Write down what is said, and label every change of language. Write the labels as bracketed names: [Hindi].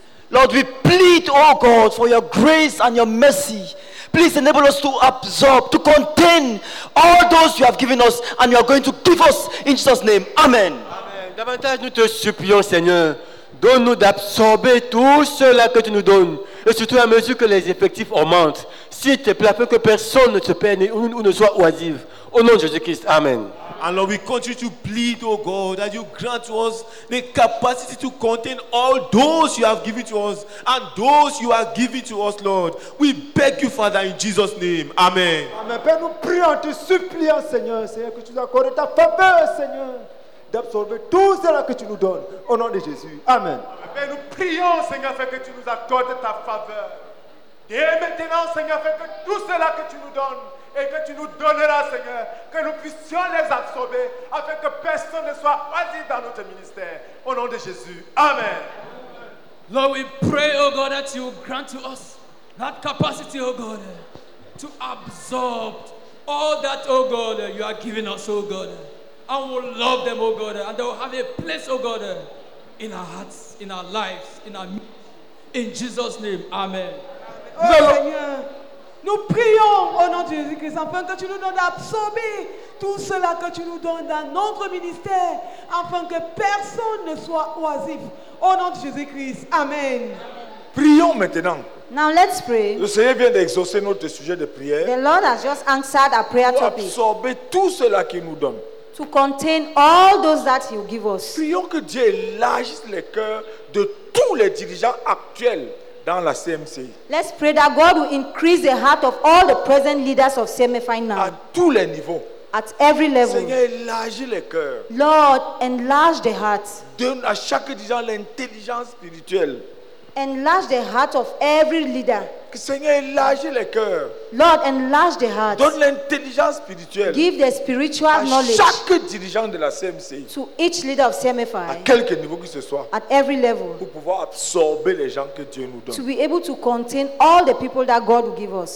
[English] Lord, we plead, oh God, for your grace and your mercy. Please enable us to absorb, to contain all those you have given us and you are going to give us in Jesus' name. Amen. Amen. [French] Davantage, nous te supplions, Seigneur, donne-nous d'absorber tout cela que tu nous donnes et surtout à mesure que les effectifs augmentent. S'il te plaît, afin que personne ne se perde ou ne soit oisif. Au nom de Jésus-Christ, Amen. [English] And Lord, we continue to plead, oh God, that you grant to us the capacity to contain all those you have given to us and those you are giving to us, Lord. We beg you, Father, in Jesus' name. Amen. Amen. [French] Père, nous prions, te supplions, Seigneur, Seigneur, que tu nous accordes ta faveur, Seigneur, d'absorber tout cela que tu nous donnes. Au nom de Jésus. Amen. Amen. Père, nous prions, Seigneur, afin que tu nous accordes ta faveur. Dès maintenant, Seigneur, afin que tout cela que tu nous donnes, et que tu nous donneras, Seigneur, que nous puissions les absorber afin que personne ne soit oisif dans notre ministère. Au nom de Jésus. Amen. [English] Lord, we pray, oh God, that you grant to us that capacity, oh God, to absorb all that, oh God, you are giving us, oh God. And we'll love them, oh God, and they will have a place, oh God, in our hearts, in our lives, in our ministry. In Jesus' name. Amen. Oh, Lord, Seigneur. [French] Nous prions au nom de Jésus-Christ afin que tu nous donnes d'absorber tout cela que tu nous donnes dans notre ministère afin que personne ne soit oisif. Au nom de Jésus-Christ, Amen. Prions maintenant. [English] Now let's pray. [French] Le Seigneur vient d'exaucer notre sujet de prière. [English] The Lord has just answered our prayer topic. [French] Pour absorber tout cela qu'il nous donne. [English] To contain all those that you give us. [French] Prions que Dieu élargisse les cœurs de tous les dirigeants actuels. Dans la CMC. [English] Let's pray that God will increase the heart of all the present leaders of CMFI now. [French] À tous les niveaux. [English] At every level. [French] Seigneur, élargis les cœurs. [English] Lord, enlarge the hearts. [French] Donne à chaque dirigeant l'intelligence spirituelle. [English] Enlarge the heart of every leader. [French] Que Seigneur, élargis les cœurs. [English] Lord, enlarge the hearts. [French] Donne l'intelligence spirituelle. [English] Give the spiritual knowledge. [French] À chaque dirigeant de la CMC. [English] To each leader of CMFI. [French] À quelque niveau que ce soit. [English] At every level. [French] Pour pouvoir absorber les gens que Dieu nous donne. [English] To be able to contain all the people that God will give us.